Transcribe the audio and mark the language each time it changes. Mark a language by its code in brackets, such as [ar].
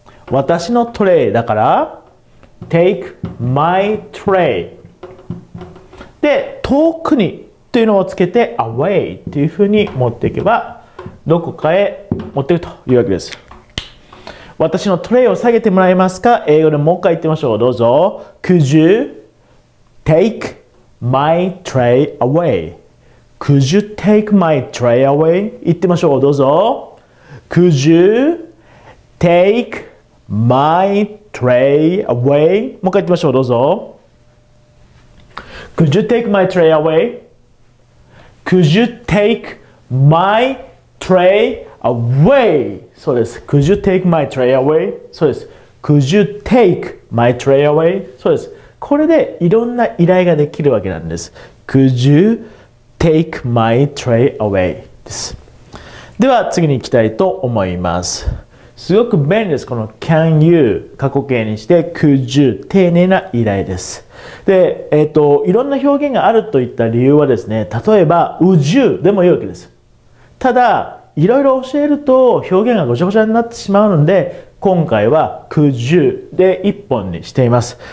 [ja] 私のトレイだから [en] take my tray [ja] で遠くにというのをつけて away というふうに持っていけばどこかへ持っていくというわけです。私のトレイを下げてもらえますか、英語でもう一回言ってみましょう。どうぞ。 [en] Could you take my tray away? Could you take my tray away? [ja] 言ってみましょう。どうぞ。 [en] Could you take my tray away? [ja] もう一回言ってみましょう。どうぞ。 [en] Could you take my tray away? Could you take my tray away? [ja] そうです。 [en] Could you take my tray away? [ja] そうです。 [en] Could you take my tray away? [ja] そうです。これでいろんな依頼ができるわけなんです。 [en] Could you take my tray away? [ja] です。では次に行きたいと思います。すごく便利です。この [en] can you [ja] 過去形にして [en] could you [ja] 丁寧な依頼です。で、いろんな表現があるといった理由はですね、例えば [en] would you [ja] でもいいわけです。ただ、いろいろ教えると表現がごちゃごちゃになってしまうので、今回は [en] could you [ja] で一本にしています。